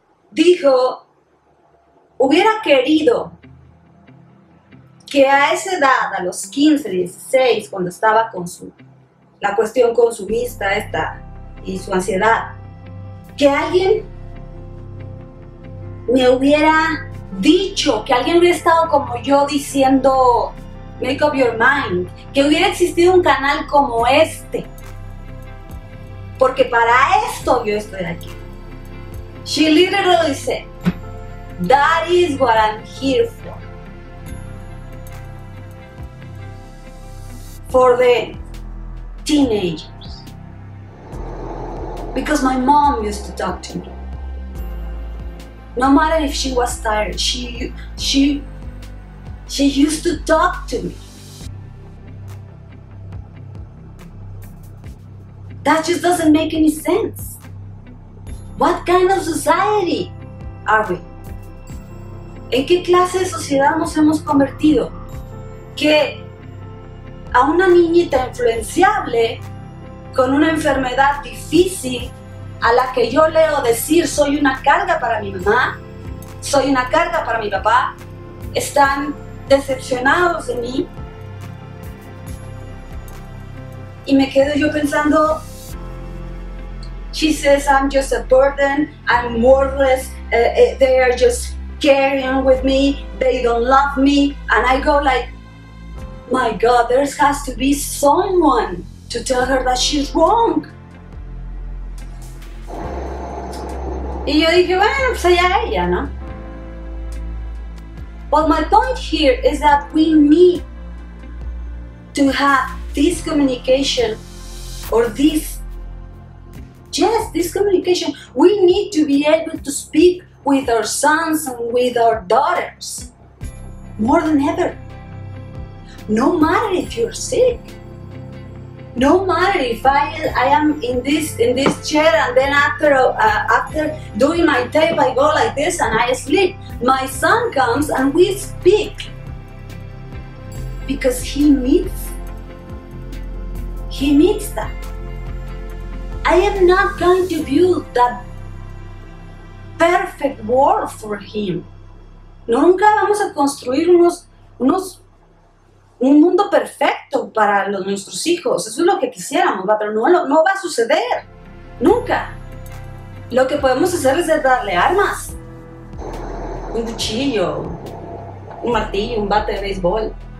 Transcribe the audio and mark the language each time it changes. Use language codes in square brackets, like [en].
[es] Dijo, hubiera querido que a esa edad, a los 15, 16, cuando estaba con su, la cuestión con su vista esta y su ansiedad, que alguien me hubiera dicho, que alguien hubiera estado como yo diciendo Make Up Your Mind, que hubiera existido un canal como este, porque para esto yo estoy aquí. [en] She literally said, that is what I'm here for. For the teenagers. Because my mom used to talk to me. No matter if she was tired, she used to talk to me. That just doesn't make any sense. What kind of society are we? [es] ¿En qué clase de sociedad nos hemos convertido? Que a una niñita influenciable con una enfermedad difícil a la que yo leo decir soy una carga para mi mamá, soy una carga para mi papá, están decepcionados de mí. Y me quedo yo pensando, [en] she says I'm just a burden, I'm worthless, they are just carrying with me, they don't love me, and I go like, my God, there has to be someone to tell her that she's wrong. [es] Y yo dije, bueno, pues allá ella, ¿no? [en] But my point here is that we need to have this communication or this, yes, this communication. We need to be able to speak with our sons and with our daughters more than ever. No matter if you're sick. No matter if I am in this chair and then after doing my tape I go like this and I sleep. My son comes and we speak because he needs that. I am not going to build that perfect world for him. [es] No, nunca vamos a construir unos un mundo perfecto para nuestros hijos. Eso es lo que quisiéramos, ¿va? Pero no va a suceder. Nunca. Lo que podemos hacer es darle armas. Un cuchillo, un martillo, un bate de béisbol.